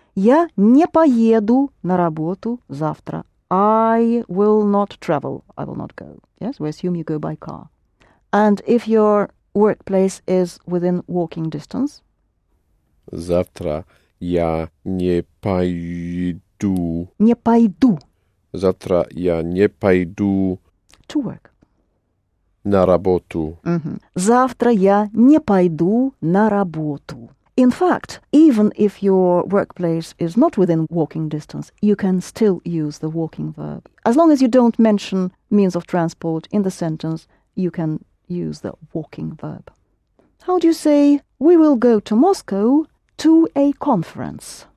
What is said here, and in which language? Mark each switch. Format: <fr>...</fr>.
<ru>Я не поеду на работу завтра.</ru> <en>I will not travel. I will not go. Yes, we assume you go by car. And if your workplace is within walking distance,</en> <ru>Завтра я не пойду. Не пойду. Завтра я не пойду.</ru> <en>To work.</en> <ru>На работу. Завтра я не пойду на работу.</ru> <en>In fact, even if your workplace is not within walking distance, you can still use the walking verb. As long as you don't mention means of transport in the sentence, you can use the walking verb. How do you say, we will go to Moscow to a conference?</en>